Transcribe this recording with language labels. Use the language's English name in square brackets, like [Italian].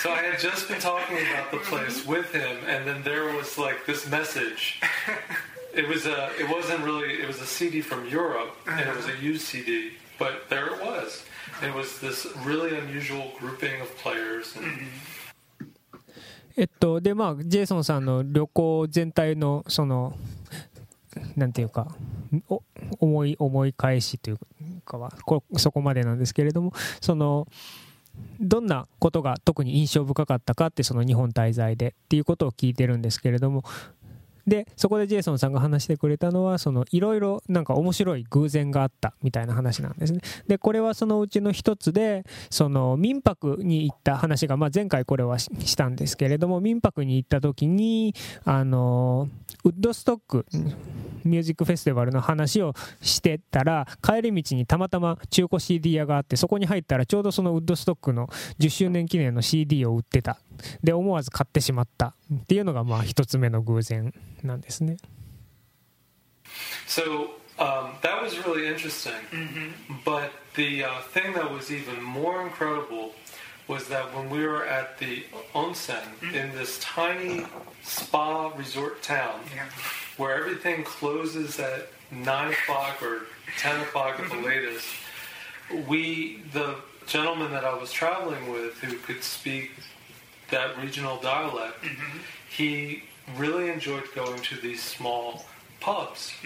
[English] So I had just been talking about the place with him, and then there was, like, this message. It was a CD from Europe, and it was a used CD, but there it was. It was this really unusual grouping of players. And, mm-hmm. [Japanese] で、まあ、ジェイソンさんの旅行全体のその、なんていうか思い返しというかはそこまでなんですけれども、そのどんなことが特に印象深かったかって、その日本滞在でっていうことを聞いてるんですけれども、でそこでジェイソンさんが話してくれたのは、そのいろいろなんか面白い偶然があったみたいな話なんですね。でこれはそのうちの一つで、その民泊に行った話が、まあ、前回これは したんですけれども、民泊に行った時にウッドストックミュージックフェスティバルの話をしてたら、帰り道にたまたま中古 CD 屋があって、そこに入ったらちょうどそのウッドストックの10周年記念の CD を売ってた。で、思わず買ってしまったっていうのが、まあ一つ目の偶然なんですね。 [English] So, that was really interesting. But the thing that was even more incredible was that when we were at the onsen in this tiny spa resort town where everything closes at 9 o'clock or 10 o'clock at the latest, the gentleman that I was traveling with who could speak that regional dialect, he really enjoyed going to these small pubs.